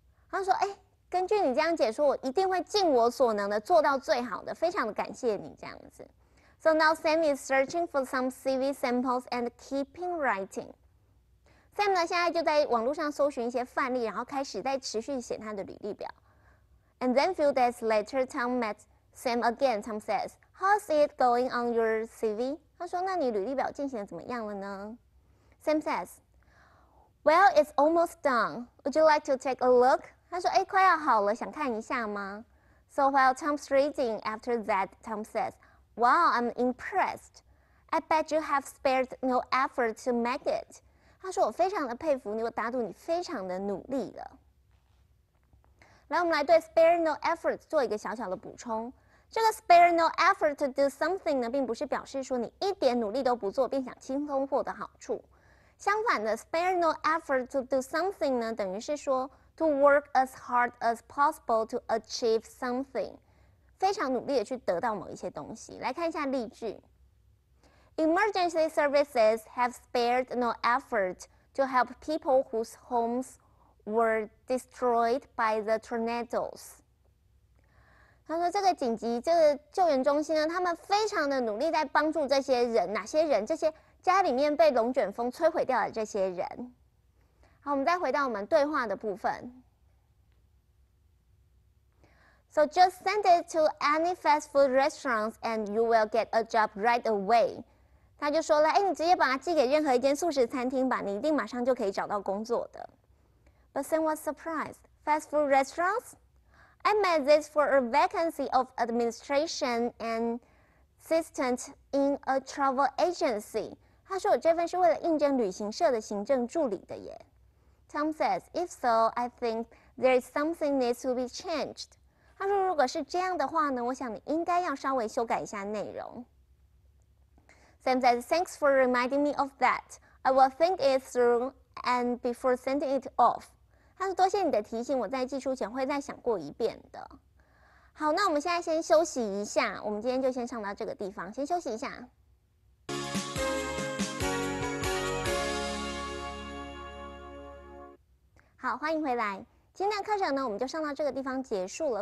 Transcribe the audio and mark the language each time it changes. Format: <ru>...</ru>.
<zh>他说，哎，根据你这样解说，我一定会尽我所能的做到最好的，非常的感谢你这样子。</zh> <en>So now Sam is searching for some CV samples and keeping writing.</en> <zh>Sam 呢，现在就在网络上搜寻一些范例，然后开始在持续写他的履历表。</zh> <en>And then few days later, Tom met Sam again. Tom says, "How's it going on your CV?"</en> <zh>他说：“那你履历表进行的怎么样了呢？”</zh> <en>Sam says, "Well, it's almost done. Would you like to take a look?"</en> <zh>他说：“哎，快要好了，想看一下吗？”</zh> <en>So while Tom's reading, after that, Tom says, "Wow, I'm impressed. I bet you have spared no effort to make it."</en> <zh>他说：“我非常的佩服你，我打赌你非常的努力了。”来，我们来对 spare no effort 做一个小小的补充。这个 spare no effort to do something 呢，并不是表示说你一点努力都不做，并想轻松获得好处。相反的 ，spare no effort to do something 呢，等于是说</zh> <en>to work as hard as possible to achieve something，</en> <zh>非常努力的去得到某一些东西。来看一下例句。</zh> <en>Emergency services have spared no effort to help people whose homes were destroyed by the tornadoes.</en> <zh>他说这个紧急这个救援中心呢，他们非常的努力在帮助这些人，哪些人？这些家里面被龙卷风摧毁掉的这些人。好，我们再回到我们对话的部分。</zh> <en>So just send it to any fast food restaurants and you will get a job right away.</en> <zh>他就说了，哎，你直接把它寄给任何一间素食餐厅吧，你一定马上就可以找到工作的。</zh> <en>But Sam was surprised. Fast food restaurants? I made this for a vacancy of administration and assistant in a travel agency.</en> <zh>他说我这份是为了应征旅行社的行政助理的耶。</zh> <en>Tom says, if so, I think there is something needs to be changed.</en> <zh>他说如果是这样的话呢，我想你应该要稍微修改一下内容。</zh> <en>Sam says, thanks for reminding me of that. I will think it through and before sending it off.</en> <zh>他说多谢你的提醒，我在寄出前会再想过一遍的。好，那我们现在先休息一下，我们今天就先上到这个地方，先休息一下。好，欢迎回来。今天的课程呢，我们就上到这个地方结束了。</zh>